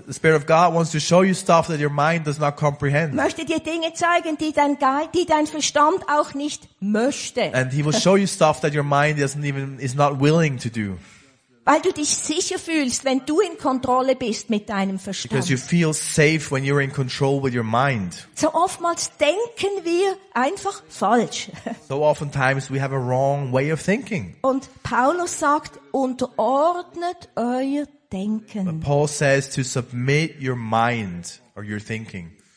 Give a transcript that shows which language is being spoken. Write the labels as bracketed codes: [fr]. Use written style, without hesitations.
[en] The spirit of God wants to show you stuff that your mind does not comprehend. [de] Möchte dir Dinge zeigen, die dein Verstand auch nicht möchte. [en] And he will show you stuff that your mind is not willing to do. [de] Weil du dich sicher fühlst, wenn du in Kontrolle bist mit deinem Verstand. [en] Because you feel safe when you're in control with your mind. [de] So oftmals denken wir einfach falsch. [en] So oftentimes we have a wrong way of thinking. [de] Und Paulus sagt, unterordnet euer Denken. [en] But Paul says to submit your mind or your thinking.